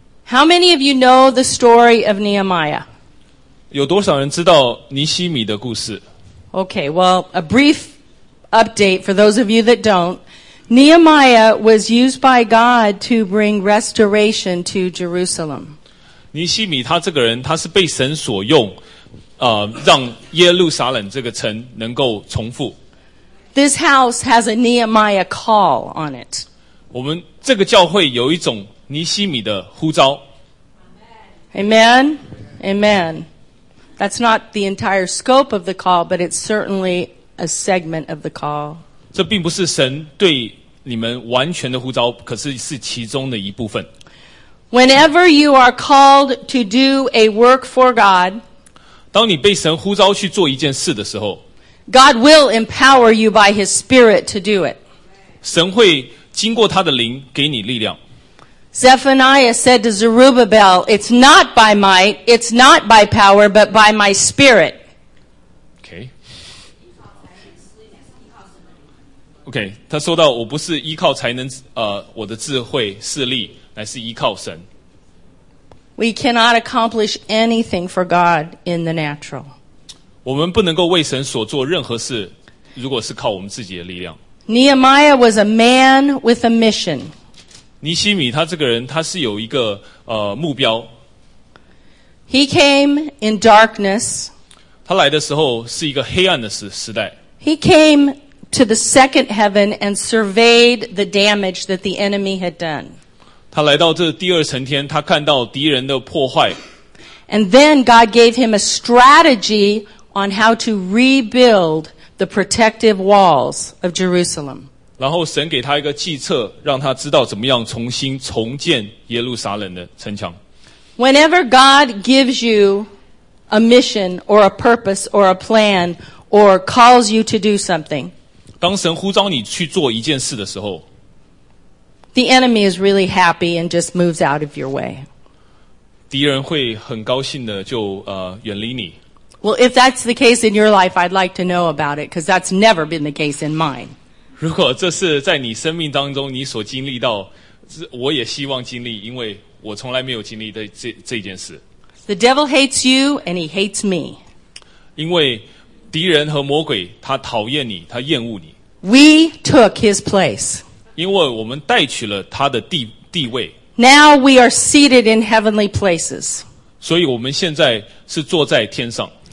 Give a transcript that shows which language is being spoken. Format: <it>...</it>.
<en>How many of you know the story of Nehemiah?</en> <zh>有多少人知道尼希米的故事</zh> <en>？Okay, well, a brief update for those of you that don't. Nehemiah was used by God to bring restoration to Jerusalem.</en> <zh>尼希米他这个人，他是被神所用。让耶路撒冷这个城能够重复。</zh> <en>This house has a Nehemiah call on it.</en> <zh>我们这个教会有一种尼希米的呼召。</zh> <en>Amen. Amen. That's not the entire scope of the call, but it's certainly a segment of the call.</en> <zh>这并不是神对你们完全的呼召，可是是其中的一部分。</zh> <en>Whenever you are called to do a work for God,</en> <zh>当你被神呼召去做一件事的时候</zh> <en>，God will empower you by His Spirit to do it.</en> <zh>神会经过他的灵给你力量。</zh> <en>Zephaniah said to Zerubbabel, "It's not by might, it's not by power, but by my Spirit." Okay. Okay.</en> <zh>他说到我不是依靠才能，我的智慧势力，乃是依靠神。</zh> <en>We cannot accomplish anything for God in the natural.</en> <zh>我们不能够为神所做任何事，如果是靠我们自己的力量。</zh> <en>Nehemiah was a man with a mission.</en> <zh>尼希米他这个人，他是有一个目标。</zh> <en>He came in darkness.</en> <zh>他来的时候是一个黑暗的时代。</zh> <en>He came to the second heaven and surveyed the damage that the enemy had done.</en> <zh>他来到这第二层天，他看到敌人的破坏。</zh> <en>And then God gave him a strategy on how to rebuild the protective walls of Jerusalem.</en> <zh>然后神给他一个计策，让他知道怎么样重新重建耶路撒冷的城墙。</zh> <en>Whenever God gives you a mission or a purpose or a plan or calls you to do something,</en> <zh>当神呼召你去做一件事的时候。</zh> <en>The enemy is really happy and just moves out of your way.</en> <zh>敌人会很高兴的就远离你。</zh> <en>Well, if that's the case in your life, I'd like to know about it because that's never been the case in mine.</en> <zh>如果这是在你生命当中你所经历到，我也希望经历，因为我从来没有经历的这件事。</zh> <en>The devil hates you and he hates me.</en> <zh>因为敌人和魔鬼他讨厌你，他厌恶你。</zh> <en>We took his place.</en> <zh>因为我们带取了他的地位。</zh> <en>Now we are seated in heavenly places.</en> <zh>所以我们现在是坐在天上。</zh>